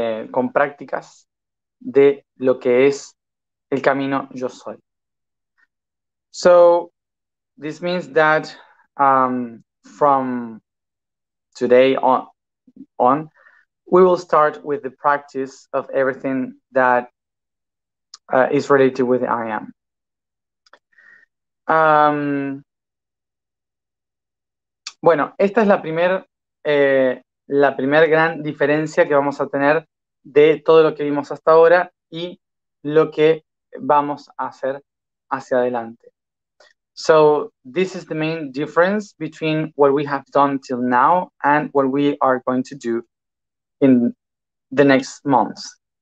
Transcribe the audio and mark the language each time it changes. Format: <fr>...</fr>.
<es>Con prácticas de lo que es el camino yo soy.</es> <en>So, this means that from today on, we will start with the practice of everything that is related to with I am.</en> <es>Bueno, esta es la primer gran diferencia que vamos a tener de todo lo que vimos hasta ahora y lo que vamos a hacer hacia adelante.</es> <en>So, this is the main difference between what we have done till now and what we are going to do in the next months.</en>